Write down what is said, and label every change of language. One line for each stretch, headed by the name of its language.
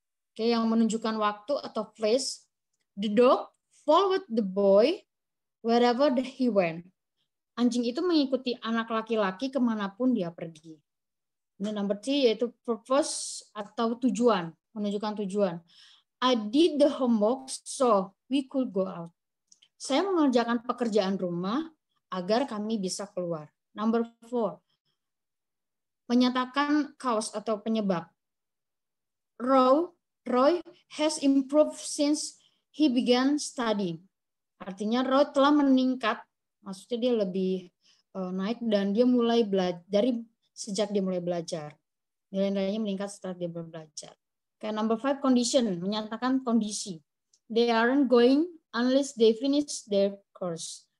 Indonesian: Oke, yang menunjukkan waktu atau place.
English: The dog followed the boy wherever he went.
Indonesian: Anjing itu mengikuti anak laki-laki kemanapun dia pergi. Ini
English: number three
Indonesian: yaitu purpose atau tujuan, menunjukkan tujuan.
English: I did the homework so we could go out.
Indonesian: Saya mengerjakan pekerjaan rumah agar kami bisa keluar.
English: Number four.
Indonesian: Menyatakan cause atau penyebab.
English: Row Roy has improved since he began studying.
Indonesian: Artinya Roy telah meningkat, maksudnya dia lebih naik dan dia mulai belajar dari sejak dia mulai belajar. Nilai-nilainya meningkat setelah dia belajar.
English: Okay, number five, condition,
Indonesian: menyatakan kondisi.
English: They aren't going unless they finish their course.